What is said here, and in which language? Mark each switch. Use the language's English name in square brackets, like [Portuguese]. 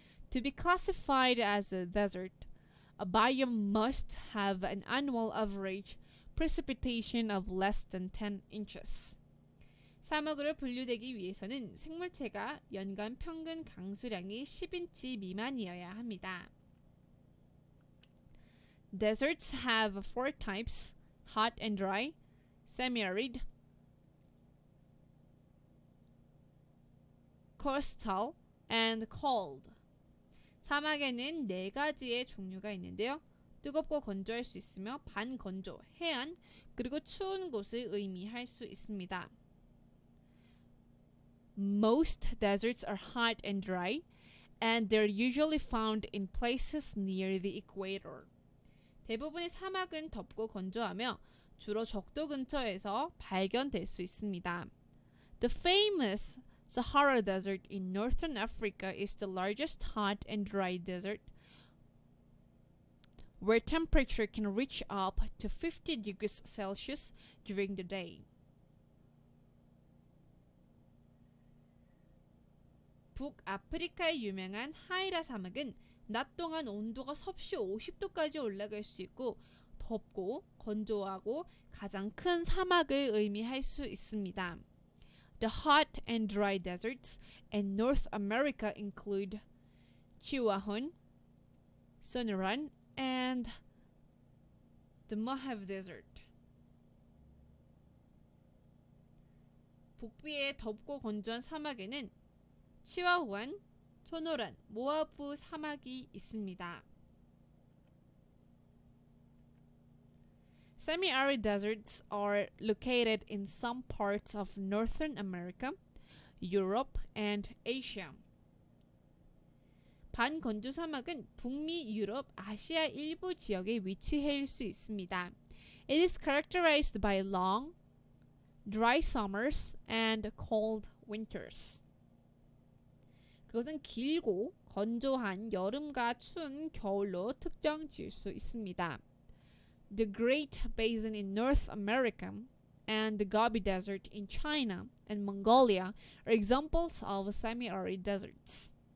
[English] To be classified as a desert, a biome must have an annual average precipitation of less than 10 inches. [Korean] 사막으로 분류되기 위해서는 생물체가 연간 평균 강수량이 10인치 미만이어야 합니다. [English] Deserts have four types: hot and dry, semi-arid, coastal, and cold. [Korean] 사막에는 네 가지의 종류가 있는데요. 뜨겁고 건조할 수 있으며 반건조, 해안, 그리고 추운 곳을 의미할 수 있습니다. [English] Most deserts are hot and dry, and they're usually found in places near the equator. [Korean] 대부분의 사막은 덥고 건조하며 주로 적도 근처에서 발견될 수 있습니다. [English] The famous Sahara Desert in northern Africa is the largest hot and dry desert, where temperature can reach up to 50 degrees Celsius during the day. [Korean] Africa의 유명한 하이라 사막은 낮 동안 온도가 섭씨 50도까지 올라갈 수 있고 덥고 건조하고 가장 큰 사막을 의미할 수 있습니다. [English] The hot and dry deserts in North America include Chihuahuan, Sonoran, and the Mojave Desert. [Korean] 북부의 덥고 건조한 사막에는 치와우안, 소노란, 모아부 사막이 있습니다. [English] Semi-arid deserts are located in some parts of Northern America, Europe, and Asia. [Korean] 반건조 사막은 북미, 유럽, 아시아 일부 지역에 위치할 수 있습니다. [English] It is characterized by long, dry summers and cold winters. [Korean] 그것은 길고 건조한 여름과 추운 겨울로 특정지을 수 있습니다. [English] The Great Basin in North America and the Gobi Desert in China and Mongolia are examples of semi-arid deserts.